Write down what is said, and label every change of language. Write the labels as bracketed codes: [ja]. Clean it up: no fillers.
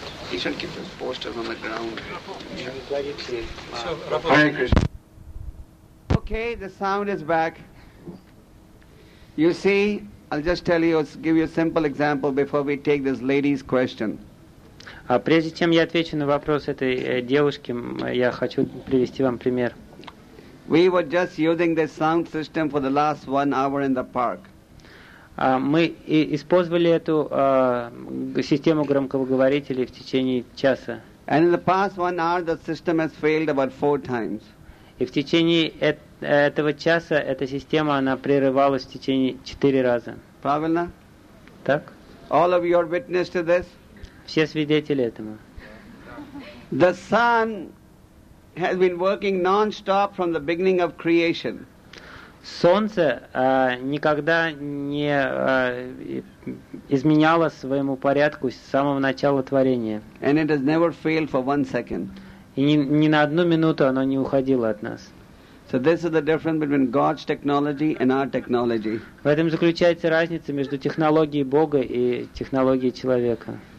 [en] He should keep his posters on the ground. Hare Krishna. Okay, the sound is back. You see, I'll just tell you, give you a simple example before we take this lady's question. [ru] Прежде чем я отвечу на вопрос этой девушки, я хочу привести вам пример. [en] We were just using the sound system for the last 1 hour in the park. [ru] Мы использовали эту систему громкоговорителей в течение часа. [en] And in the past 1 hour, the system has failed about 4 times. [ru] И в течение этого часа эта система она прерывалась в течение 4 раза. Правильно? Так? [en] All of you are witness to this? [ru] Все свидетели этому. [en] The sun has been working non-stop from the beginning of creation. [ru] Солнце никогда не изменяло своему порядку с самого начала творения. [en] And it has never failed for 1 second. [ru] И ни на одну минуту оно не уходило от нас. [en] So this is the difference between God's technology and our technology. [ru] В этом заключается разница между технологией Бога и технологией человека.